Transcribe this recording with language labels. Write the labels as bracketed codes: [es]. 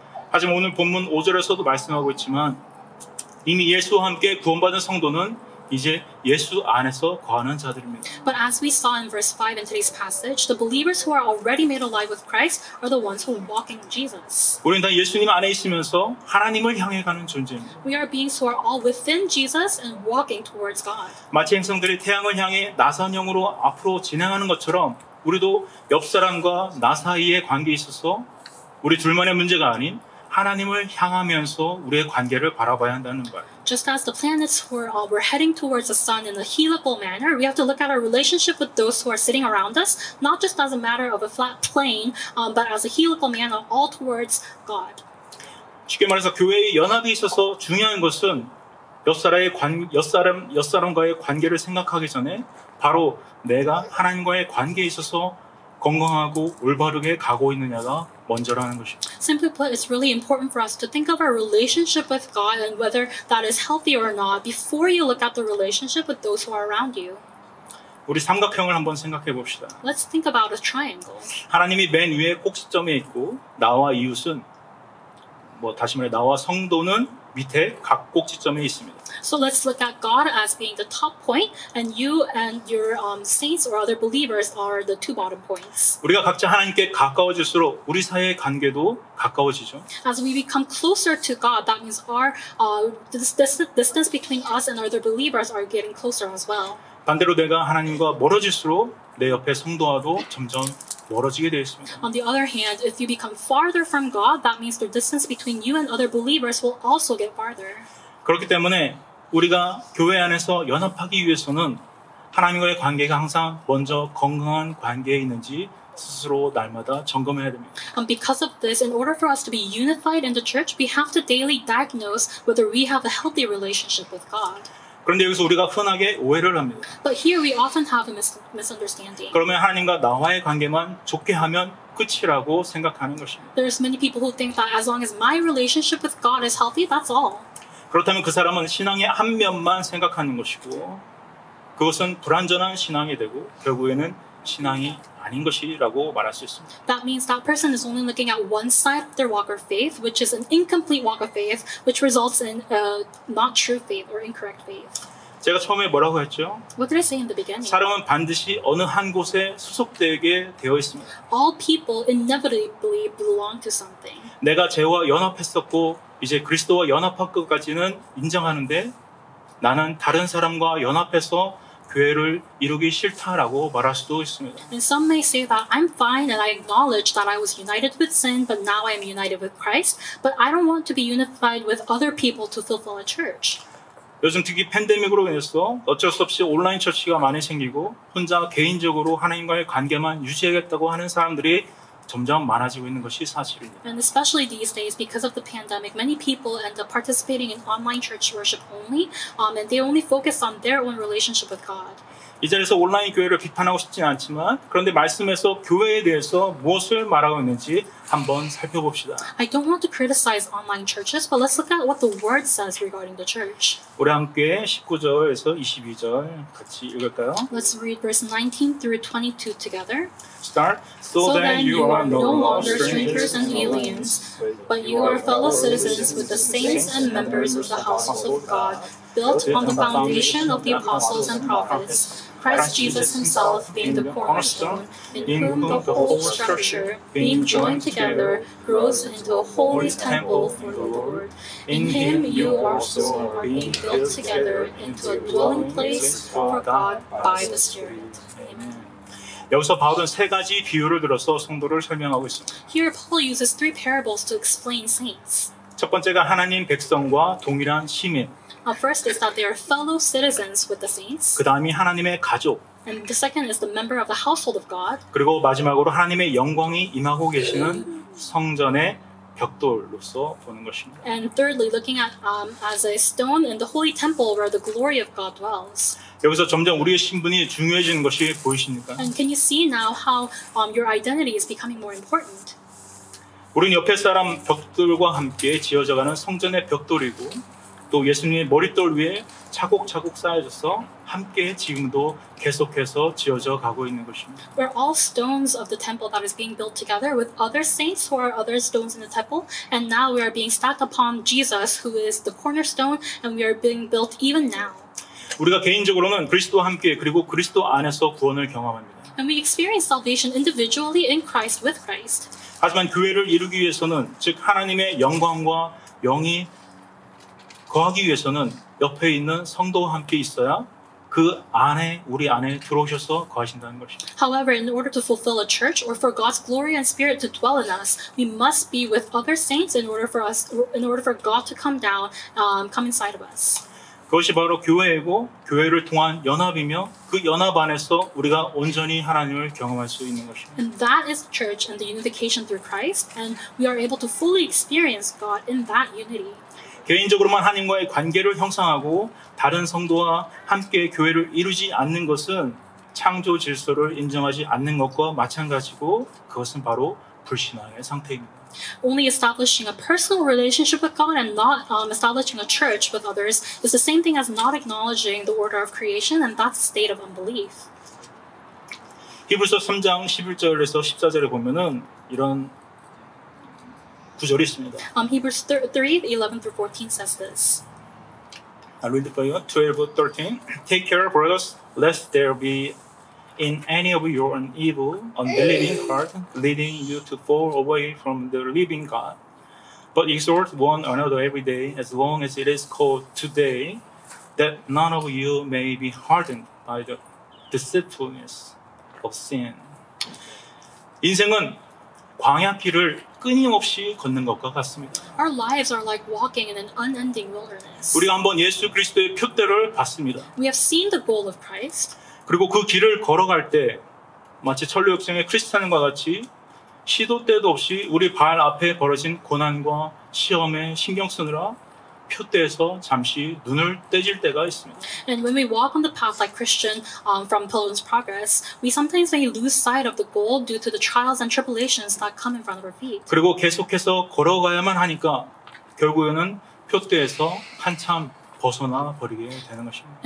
[ko] 하지만 오늘 본문 5절에서도 말씀하고 있지만 이미 예수와 함께 구원받은 성도는 이제 예수 안에서 거하는 자들입니다. [en] But as we saw in verse 5 in today's passage, the believers who are already made alive with Christ are the ones who are walking Jesus. [ko] 우리는 다 예수님 안에 있으면서 하나님을 향해 가는 존재입니다. [en] We are beings who are all within Jesus and walking towards God. [ko] 마치 행성들이 태양을 향해 나선형으로 앞으로 진행하는 것처럼 우리도 옆 사람과 나 사이의 관계에 있어서 우리 둘만의 문제가 아닌 하나님을 향하면서 우리의 관계를 바라봐야 한다는 거예요. [en] Just as the planets were heading towards the sun in a helical manner, we have to look at our relationship with those who are sitting around us, not just as a matter of a flat plane, but as a helical manner, all towards God. [ko] 쉽게 말해서 교회의 연합이 있어서 중요한 것은 옆 사람과의 관계를 생각하기 전에 바로 내가 하나님과의 관계에 있어서 건강하고 올바르게 가고 있느냐가 먼저라는 것입니다. [en] Simply put, it's really important for us to think of our relationship with God and whether that is healthy or not before you look at the relationship with those who are around you. [ko] 우리 삼각형을 한번 생각해 봅시다. [en] Let's think about a triangle. [ko] 하나님이 맨 위에 꼭지점에 있고 나와 이웃은 뭐 다시 말해 나와 성도는 밑에 각 꼭지점에 있습니다. [en] So let's look at God as being the top point and you and your saints or other believers are the two bottom points. [ko] 우리가 각자 하나님께 가까워질수록 우리 사이의 관계도 가까워지죠. [en] As we become closer to God, that means our distance between us and other believers are getting closer as well. [ko] 반대로 내가 하나님과 멀어질수록 내 옆에 성도와도 점점 멀어지게 되어 있습니다. [en] On the other hand, if you become farther from God, that means the distance between you and other believers will also get farther. [ko] 그렇기 때문에 우리가 교회 안에서 연합하기 위해서는 하나님과의 관계가 항상 먼저 건강한 관계에 있는지 스스로 날마다 점검해야 됩니다. [en] And because of this, in order for us to be unified in the church, we have to daily diagnose whether we have a healthy relationship with God. [ko] 그런데 여기서 우리가 흔하게 오해를 합니다. [en] But here we often have a misunderstanding. [ko] 그러면 하나님과 나와의 관계만 좋게 하면 끝이라고 생각하는 것입니다. [en] There's many people who think that as long as my relationship with God is healthy, that's all. [ko] 그렇다면 그 사람은 신앙의 한 면만 생각하는 것이고 그것은 불완전한 신앙이 되고 결국에는 신앙이 아닌 것이라고 말할 수 있습니다. [en] That means that person is only looking at one side of their walk of faith, which is an incomplete walk of faith, which results in a not true faith or incorrect faith. [ko] 제가 처음에 뭐라고 했죠? [en] What did I say in the beginning? [ko] 사람은 반드시 어느 한 곳에 소속되게 되어 있습니다. [en] All people inevitably belong to something. [ko] 내가 죄와 연합했었고 이제 그리스도와 연합할 것까지는 인정하는데 나는 다른 사람과 연합해서 교회를 이루기 싫다라고 말할 수도 있습니다. [en] And some may say that I'm fine and I acknowledge that I was united with sin, but now I'm united with Christ, but I don't want to be unified with other people to fulfill a church. [ko] 요즘 특히 팬데믹으로 인해서 어쩔 수 없이 온라인 처치가 많이 생기고 혼자 개인적으로 하나님과의 관계만 유지하겠다고 하는 사람들이 점점 많아지고 있는 것이 사실입니다. [en] And especially these days, because of the pandemic, many people end up participating in online church worship only, and they only focus on their own relationship with God. [ko] 이 자리에서 온라인 교회를 비판하고 싶진 않지만 그런데 말씀에서 교회에 대해서 무엇을 말하고 있는지 한번 살펴봅시다. [en] I don't want to criticize online churches, but let's look at what the word says regarding the church. [ko] 우리 함께 19절에서 22절 같이 읽을까요? [en] Let's read verse 19 through 22 together. Start. So then you are no longer strangers and aliens, but you are fellow citizens with the saints and members of the household of God, built on the foundation of the apostles and prophets, Christ Jesus himself being the cornerstone, in whom the whole structure, being joined together, grows into a holy temple for the Lord. In him you also are being built together into a dwelling place for God by the Spirit. Amen. [ko] 여기서 바울은 세 가지 비유를 들어서 성도를 설명하고 있습니다. [en] Here Paul uses three parables to explain saints. [ko] 첫 번째가 하나님 백성과 동일한 시민. [en] First is that they are fellow citizens with the saints. [ko] 그 다음이 하나님의 가족. [en] And the second is the member of the household of God. [ko] 그리고 마지막으로 하나님의 영광이 임하고 계시는 성전의 벽돌로서 보는 것입니다. [en] And thirdly, looking at as a stone in the holy temple where the glory of God dwells. [ko] 여기서 점점 우리의 신분이 중요해지는 것이 보이십니까? [en] And can you see now how your identity is becoming more important? [ko] 우리는 옆에 사람 벽돌과 함께 지어져가는 성전의 벽돌이고 또 예수님의 머리돌 위에 차곡차곡 쌓여져서 함께 지금도 계속해서 지어져 가고 있는 것입니다. [en] We're all stones of the temple that is being built together with other saints who are other stones in the temple, and now we are being stacked upon Jesus, who is the cornerstone, and we are being built even now. [ko] 우리가 개인적으로는 그리스도와 함께 그리고 그리스도 안에서 구원을 경험합니다. [en] And we experience salvation individually in Christ with Christ. [ko] 하지만 교회를 이루기 위해서는 즉 하나님의 영광과 영이 거하기 위해서는 옆에 있는 성도와 함께 있어야 그 안에 우리 안에 들어오셔서 거하신다는 것입니다. [en] However, in order to fulfill a church or for God's glory and spirit to dwell in us, we must be with other saints in order for God to come down, come inside of us. [ko] 그것이 바로 교회이고 교회를 통한 연합이며 그 연합 안에서 우리가 온전히 하나님을 경험할 수 있는 것입니다. [en] And that is church and the unification through Christ, and we are able to fully experience God in that unity. [ko] 개인적으로만 하나님과의 관계를 형성하고 다른 성도와 함께 교회를 이루지 않는 것은 창조 질서를 인정하지 않는 것과 마찬가지고 그것은 바로 불신앙의 상태입니다. [en] Only establishing a personal relationship with God and not establishing a church with others is the same thing as not acknowledging the order of creation, and that's a state of unbelief. [ko] 히브리서 3장 11절에서 14절에 보면은 이런 구절이 있습니다. [en] Hebrews 3:11-14 says this. I read it for you. 12:13. Take care, brothers, lest there be in any of you an evil, unbelieving heart, leading you to fall away from the living God. But exhort one another every day, as long as it is called today, that none of you may be hardened by the deceitfulness of sin. [ko] 인생은 광야길을 끊임없이 걷는 것과 같습니다. [en] Our lives are like walking in an unending wilderness. [ko] 우리가 한번 예수 그리스도의 푯대를 봤습니다. [en] We have seen the goal of Christ. [ko] 그리고 그 길을 걸어갈 때 마치 천리역생의 크리스찬과 같이 시도 때도 없이 우리 발 앞에 벌어진 고난과 시험에 신경 쓰느라 푯대에서 잠시 눈을 떼질 때가 있습니다. [en] And when we walk on the path like Christian from Pilgrim's Progress, we sometimes may lose sight of the goal due to the trials and tribulations that come in front of our feet. [ko] 그리고 계속해서 걸어가야만 하니까 결국에는 푯대에서 한참 벗어나 버리게 되는 것입니다.